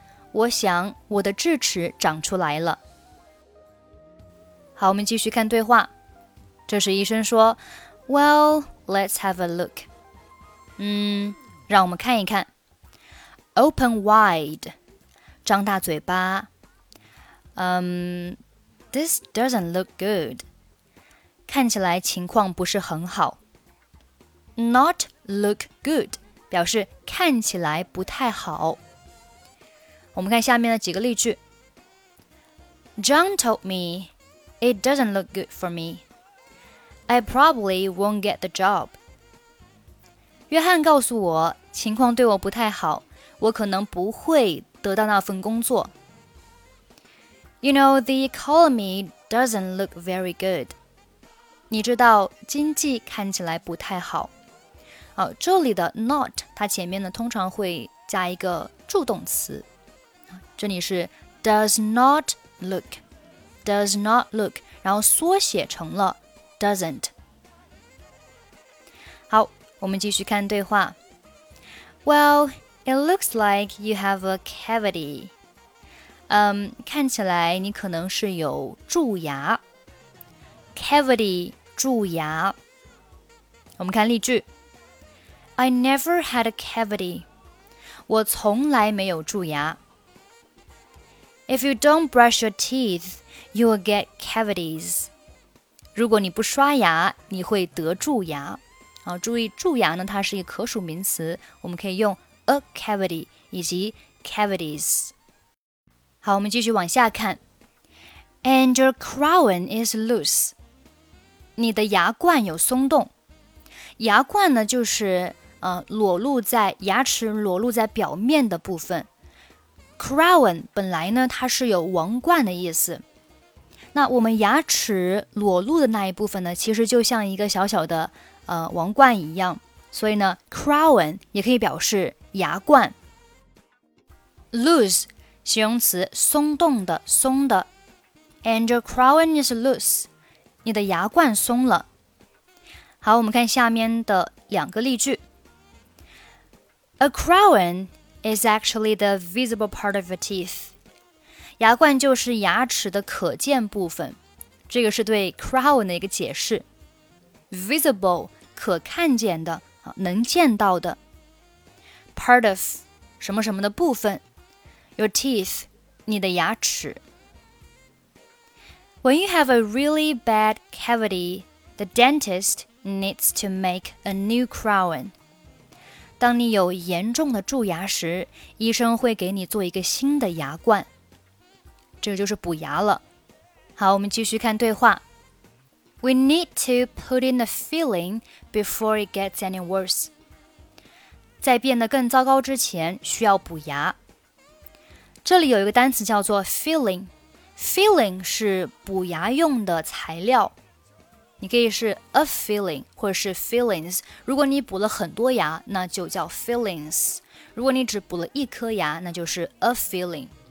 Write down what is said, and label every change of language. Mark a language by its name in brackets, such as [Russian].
[Chinese] 我想我的智齿长出来了。好，我们继续看对话。这时医生说 [English] Well, let's have a look. [Chinese] 让我们看一看。 [English] Open wide. [Chinese] 张大嘴巴。 [English] This doesn't look good. [Chinese] 看起来情况不是很好。 [English] Not look good [Chinese] 表示看起来不太好。我们看下面的几个例句。 [English] John told me it doesn't look good for me. I probably won't get the job. [Chinese] 约翰告诉我情况对我不太好，我可能不会得到那份工作。 [English] You know, the economy doesn't look very good. [Chinese] 你知道经济看起来不太好。这里的 not 它前面呢通常会加一个助动词。这里是 [English] does not look, does not look, [Chinese] 然后缩写成了 [English] doesn't. [Chinese] 好，我们继续看对话。 [English] Well,It looks like you have a cavity. [Chinese] 看起来你可能是有蛀牙。 Cavity, 蛀牙。我们看例句。 [English] I never had a cavity. [Chinese] 我从来没有蛀牙。 [English] If you don't brush your teeth, you will get cavities. [Chinese] 如果你不刷牙，你会得蛀牙。注意蛀牙呢，它是一个可数名词，我们可以用A cavity 以及 cavities。好，我们继续往下看。 [English] And your crown is loose. [Chinese] 你的牙冠有松动。牙冠呢就是裸露在牙齿裸露在表面的部分。 [English] Crown [Chinese] 本来呢它是有王冠的意思。那我们牙齿裸露的那一部分呢其实就像一个小小的王冠一样。所以呢 crown 也可以表示牙冠。 Loose, 形容词，松动的，松的。 [English] And your crown is loose, [Chinese] 你的牙冠松了。好，我们看下面的两个例句。 [English] A crown is actually the visible part of your teeth. [Chinese] 牙冠就是牙齿的可见部分。这个是对 crown 的一个解释。 Visible, 可看见的，能见到的。 [English] Part of, [Chinese] 什么什么的部分。 [English] Your teeth, [Chinese] 你的牙齿。 [English] When you have a really bad cavity, the dentist needs to make a new crown. [Chinese] 当你有严重的蛀牙时，医生会给你做一个新的牙冠。这就是补牙了。好，我们继续看对话。 [English] We need to put in a filling before it gets any worse. [Chinese] 在变得更糟糕之前，需要补牙。这里有一个单词叫做 filling。 Filling 是补牙用的材料，你可以是 a filling 或者是 fillings。如果你补了很多牙，那就叫 fillings。如果你只补了一颗牙，那就是 a filling。